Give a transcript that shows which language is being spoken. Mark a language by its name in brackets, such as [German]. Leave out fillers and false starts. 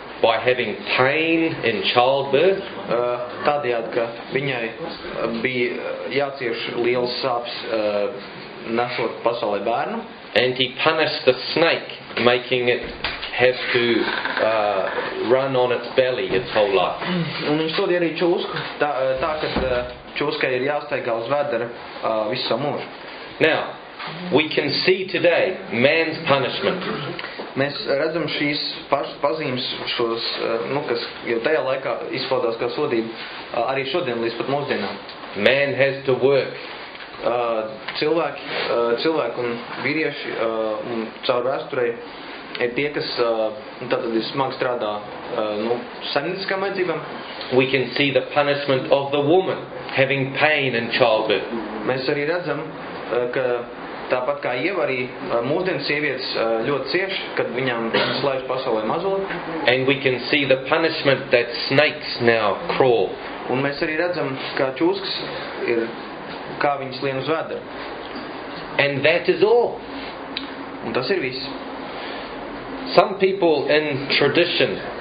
[English] By having pain in childbirth. [Latvian] Tādējādi, ka viņai bija jācieš liels sāpes nesot pasaulē bērnu. [English] And he punished the snake, making it have to run on its belly its whole life. [Latvian] Un viņš sodīja arī čūsku, tā kad čūskai ir jāstaigā uz vēdera visu savu mūžu. [English] Now, We can see today man's punishment. [Latvian] Mēs redzam šīs pazīmes, šos, nu, kas jau tajā laikā izpaudās kā sodība, arī šodien līdz pat mūsdienām. [English] Man has to work. [Latvian] Cilvēki, cilvēki un vīrieši un caur vēsturei ir tie, kas tātad ir smagi strādā nu, saimnieciskām vajadzībām. [English] We can see the punishment of the woman having pain in childbirth. [Latvian] Mēs arī redzam, ka tāpat kā Ieva arī mūsdienas sievietes ļoti cieš, kad viņām slēž pasaulē mazuli. [English] And we can see the punishment that snakes now crawl. [Latvian] Un mēs arī redzam, ka čūskas ir kā viņas lien uz vēdera. [English] And that is all. [Latvian] Un tas ir viss. [English] Some people in tradition